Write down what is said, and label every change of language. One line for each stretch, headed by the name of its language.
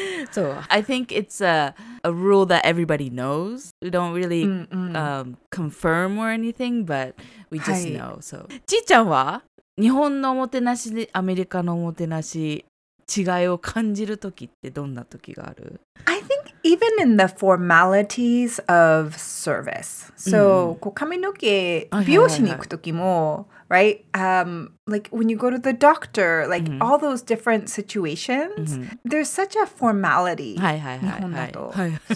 English: So, I think it's a rule that everybody knows. We don't really confirm or anything, but we just know.
Japanese: So, ちーちゃんは日本のおもてなしでアメリカのおもてなし違いを感じるときってどんなときがある?
English: I think even in the formalities of service.
Japanese: So, こう髪の毛、美容師に行くときも、right?
English: Like when you go to the doctor, like all those different situations, there's such a formality.
Japanese: はいはいはい、はい。